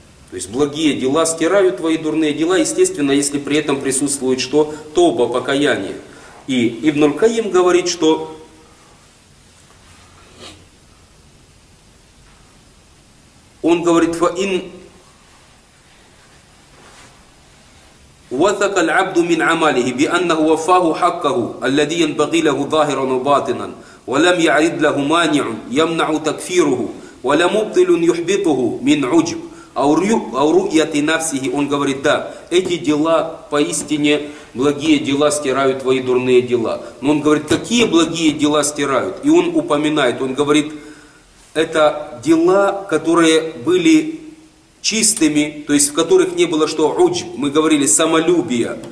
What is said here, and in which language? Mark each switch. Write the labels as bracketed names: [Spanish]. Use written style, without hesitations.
[Russian] То есть благие дела стирают твои дурные дела, естественно, если при этом присутствует что? Тоба, покаяние. И Ибн аль-Кайим говорит, что он говорит, [Arabic] «Фаин وثق العبد من عمله بأنه وفاه حقه الذي ينبغي له ظاهرا وباطنا ولم يعرض له مانع يمنع تكفيره ولا مبطل يحبطه من عجب أو رؤية نفسه. [Russian] Он говорит, да, эти дела, поистине, благие дела стирают твои дурные дела. Но он говорит, какие благие дела стирают? И он упоминает, он говорит, это дела, которые были чистыми, то есть в которых не было что уджб, мы говорили самолюбие.